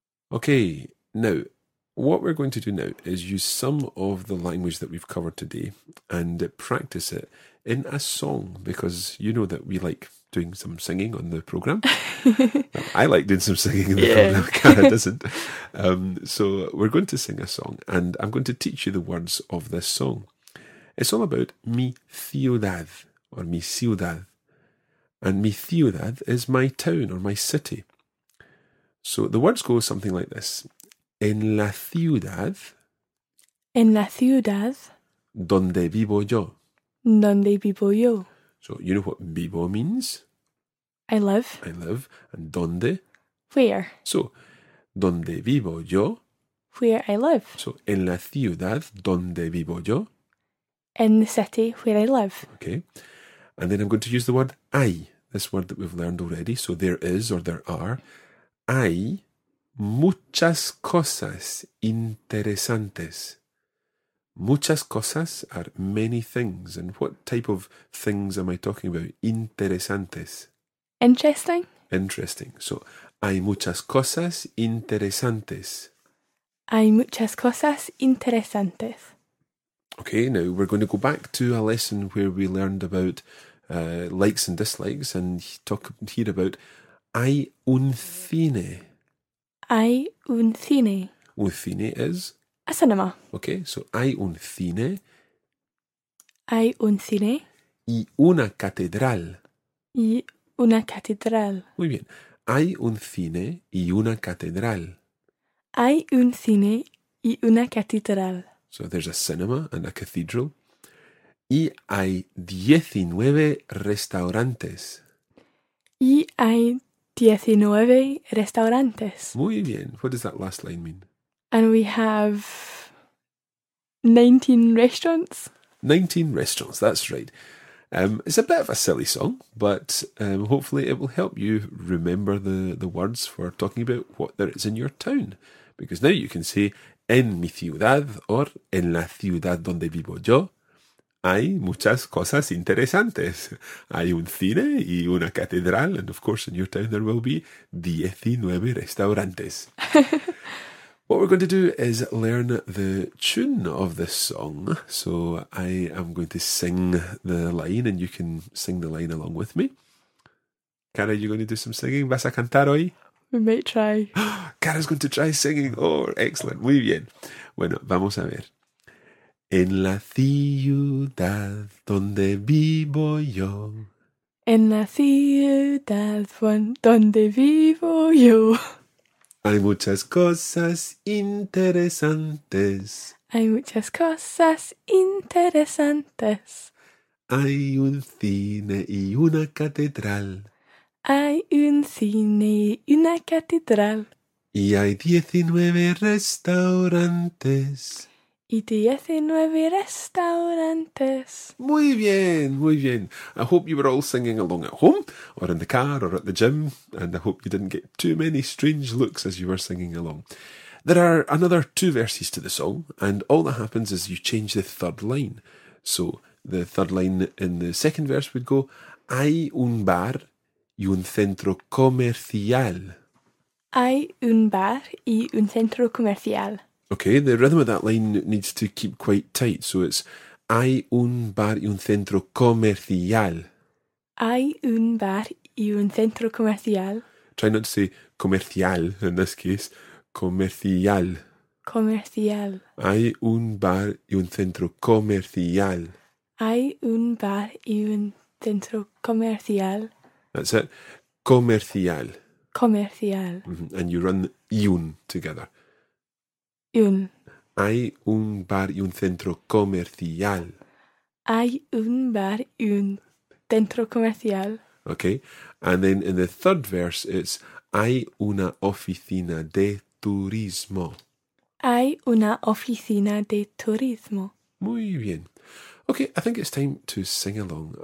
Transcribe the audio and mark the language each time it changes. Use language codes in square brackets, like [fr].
[en] Okay, now, what we're going to do now is use some of the language that we've covered today and practice it in a song, because you know that we like doing some singing on the programme. I like doing some singing in the programme, Cara doesn't. So we're going to sing a song and I'm going to teach you the words of this song. It's all about [es] mi ciudad [en] or mi ciudad. And [es] mi ciudad [en] is my town or my city. So the words go something like this. [es] En la ciudad. En la ciudad. Donde vivo yo. Donde vivo yo. [en] So you know what vivo means? I live. I live. And donde? Where. [es] So, donde vivo yo. [en] Where I live. [es] So, en la ciudad, donde vivo yo. [en] In the city where I live. Okay. And then I'm going to use the word hay, this word that we've learned already. So there is or there are. [es] Hay muchas cosas interesantes. Muchas cosas [en] are many things. And what type of things am I talking about? [es] Interesantes. [en] Interesting. Interesting. [es] So hay muchas cosas interesantes. Hay muchas cosas interesantes. [en] Okay, now we're going to go back to a lesson where we learned about likes and dislikes and talk here about [es] hay un cine. Hay un cine. Un cine [en] is? A cinema. Okay, so [es] hay un cine. Hay un cine. Y una catedral. Y una catedral. Muy bien. Hay un cine y una catedral. Hay un cine y una catedral. [en] So there's a cinema and a cathedral. [es] Y hay 19 restaurantes. Y hay 19 restaurantes. Muy bien. [en] What does that last line mean? And we have 19 restaurants. 19 restaurants, that's right. It's a bit of a silly song, but hopefully it will help you remember the words for talking about what there is in your town. Because now you can say, [es] en mi ciudad, or en la ciudad donde vivo yo, hay muchas cosas interesantes. Hay un cine y una catedral, [en] and of course in your town there will be 19 restaurantes. What we're going to do is learn the tune of this song. So I am going to sing the line and you can sing the line along with me. Cara, are you going to do some singing? [es] ¿Vas a cantar hoy? [en] We might try. Cara's going to try singing. Oh, excellent. [es] Muy bien. Bueno, vamos a ver. En la ciudad donde vivo yo. En la ciudad donde vivo yo. Hay muchas cosas interesantes. Hay muchas cosas interesantes. Hay un cine y una catedral. Hay un cine y una catedral. Y hay 19 restaurantes. Y 19 restaurantes. Muy bien, muy bien. [en] I hope you were all singing along at home, or in the car, or at the gym, and I hope you didn't get too many strange looks as you were singing along. There are another two verses to the song, and all that happens is you change the third line. So the third line in the second verse would go, [es] hay un bar y un centro comercial. Hay un bar y un centro comercial. [en] Okay, the rhythm of that line needs to keep quite tight. So it's, [es] hay un bar y un centro comercial. Hay un bar y un centro comercial. [en] Try not to say comercial in this case. [es] Comercial. Comercial. Hay un bar y un centro comercial. Hay un bar y un centro comercial. [en] That's it. Comercial. [es] Comercial. [en] Mm-hmm. And you run [es] y un [en] together. [es] Un. Hay un bar y un centro comercial. Hay un bar y un centro comercial. [en] Okay. And then in the third verse it's [es] hay una oficina de turismo. Hay una oficina de turismo. Muy bien. [en] Okay, I think it's time to sing along.